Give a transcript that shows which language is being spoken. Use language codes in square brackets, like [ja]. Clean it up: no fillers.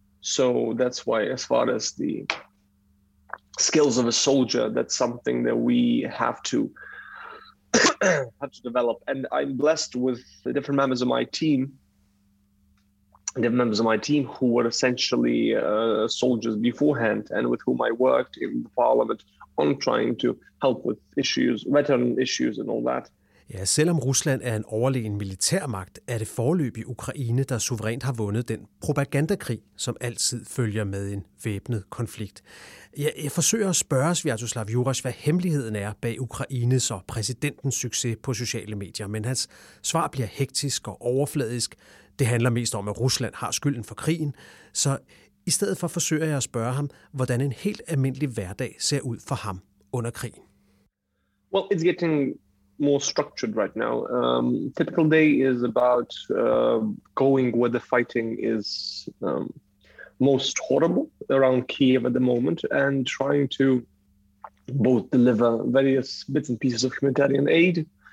[en] So that's why, as far as the skills of a soldier, that's something that we have to have to develop. And I'm blessed with the different members of my team, the members of my team who were essentially soldiers beforehand and with whom I worked in the parliament on trying to help with issues, veteran issues and all that. [da] Ja, selvom Rusland er en overlegen militærmagt, er det foreløbig Ukraine, der suverænt har vundet den propagandakrig, som altid følger med en væbnet konflikt. Jeg forsøger at spørge Sviatoslav Jurajs, hvad hemmeligheden er bag Ukraines og præsidentens succes på sociale medier, men hans svar bliver hektisk og overfladisk. Det handler mest om, at Rusland har skylden for krigen, så i stedet for forsøger jeg at spørge ham, hvordan en helt almindelig hverdag ser ud for ham under krigen. [en] Well, it's getting more structured right now. Typical day is about going where the fighting is most horrible around Kiev at the moment and trying to both deliver various bits and pieces of humanitarian aid,